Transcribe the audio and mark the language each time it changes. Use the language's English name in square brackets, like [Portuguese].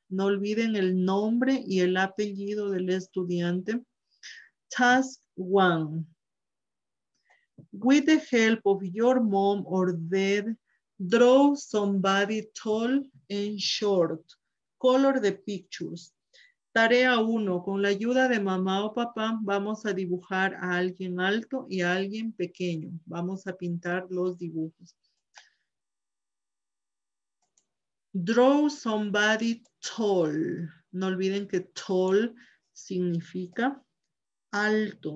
[Spanish] No olviden el nombre y el apellido del estudiante. [English] Task 1. With the help of your mom or dad, draw somebody tall and short. Color the pictures. [Spanish] Tarea 1. Con la ayuda de mamá o papá, vamos a dibujar a alguien alto y a alguien pequeño. Vamos a pintar los dibujos. [English] Draw somebody tall. [Spanish] No olviden que tall significa alto.